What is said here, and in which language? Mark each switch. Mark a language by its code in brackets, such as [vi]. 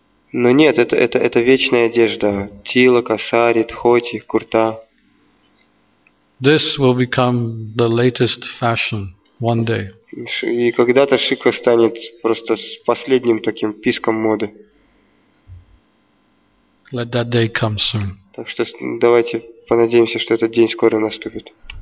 [ru] Но нет, это вечная одежда. Тилака, сари, дхоти, курта. [en] This will become the latest fashion one day. [ru] И когда-то шика станет просто последним таким писком моды. [en] Let that day come soon. [ru] Так что давайте понадеемся, что этот день скоро наступит.